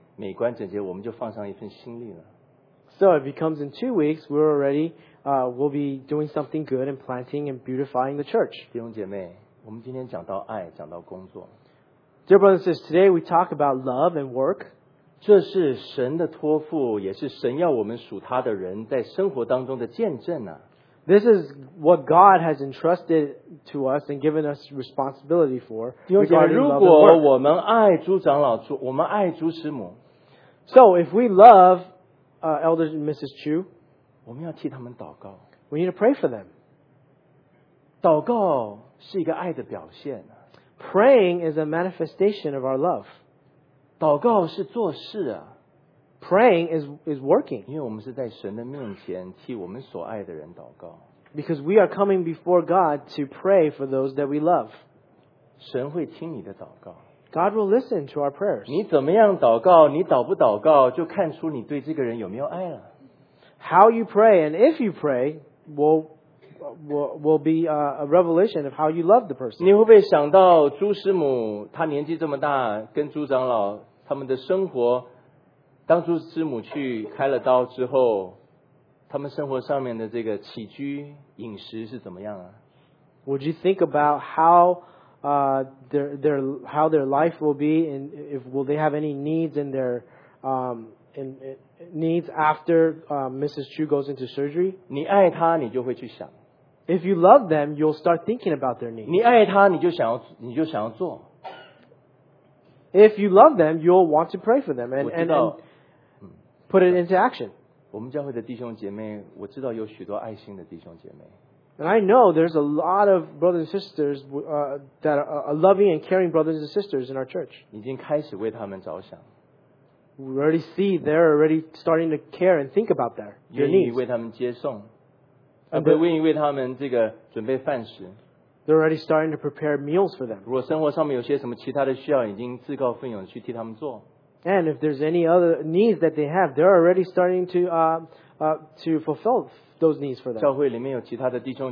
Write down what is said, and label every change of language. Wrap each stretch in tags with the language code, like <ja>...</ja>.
<zh>但他如果下下周来的话，那我们下周种的花就好了。我们就替神的家、替教会的这个美观整洁，我们就放上一份心力了。So</zh> <en>if he comes in 2 weeks, we'll be doing something good and planting and beautifying the church.</en> <zh>弟兄姐妹，我们今天讲到爱，讲到工作。Dear</zh> <en>brothers and sisters, today we talk about love and work.</en> <zh>这是神的托付，也是神要我们属他的人在生活当中的见证啊。</zh> <en>This is what God has entrusted to us and given us responsibility for.</en> <zh>如果我们爱朱长老，我们爱朱师母，</zh> <en>so if we love Elder and Mrs. Chu,</en> <zh>我们要替他们祷告。</zh> <en>We need to pray for them.</en> <zh>祷告是一个爱的表现。</zh> <en>Praying is a manifestation of our love.</en> <zh>祷告是做事啊,</zh> <en>praying is working.</en> <zh>因为我们是在神的面前替我们所爱的人祷告。</zh> <en>Because we are coming before God to pray for those that we love.</en> <zh>神会听你的祷告。</zh> <en>God will listen to our prayers.</en> <zh>你怎么样祷告, 你祷不祷告, 就看出你对这个人有没有爱了。</zh> <en>How you pray and if you pray will be a revelation of how you love the person.</en> <zh>你会不会想到朱师母, 她年纪这么大, 跟朱长老, 他们的生活，当初师母去开了刀之后，他们生活上面的这个起居饮食是怎么样啊？</zh> <en>Would you think about how their life will be, and if will they have any needs in their needs after Mrs. Chu goes into surgery?</en> <zh>你爱他，你就会去想。</zh> <en>If you love them, you'll start thinking about their needs.</en> <zh>你爱他，你就想要做。</zh> <en>If you love them, you'll want to pray for them and put it into action.</en> <zh>我们教会的弟兄姐妹，我知道有许多爱心的弟兄姐妹。</zh> <en>And I know there's a lot of brothers and sisters that are loving and caring brothers and sisters in our church.</en> <zh>已经开始为他们着想。We</zh> <en>already see they're already starting to care and think about their needs.</en> <zh>愿意为他们接送，愿意为他们这个准备饭食。</zh> <en>They're already starting to prepare meals for them.</en> <zh>如果生活上面有些什么其他的需要，已经自告奋勇去替他们做。</zh> <en>And if there's any other needs that they have, they're already starting to fulfill those needs for them.</en>